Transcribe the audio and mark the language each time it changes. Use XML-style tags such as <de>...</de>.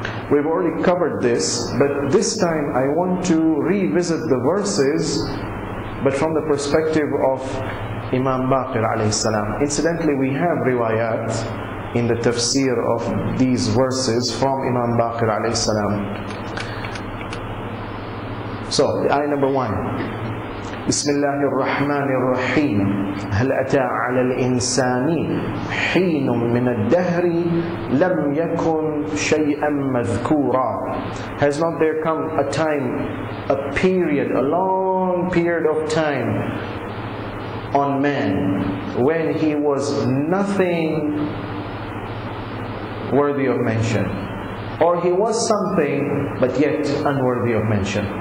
<en>We've already covered this, but this time I want to revisit the verses, but from the perspective of Imam Baqir alayhi salam. Incidentally, we have riwayat in the tafsir of these verses from Imam Baqir alayhi salam. So, ayah number 1.</en> <ar>بسم الله الرحمن الرحيم هل أتى على الإنسان حين من الدهر لم يكن شيئا مذكورا.</ar> <en>Has not there come a time, a period, a long period of time on man when he was nothing worthy of mention? Or he was something, but yet unworthy of mention.</en>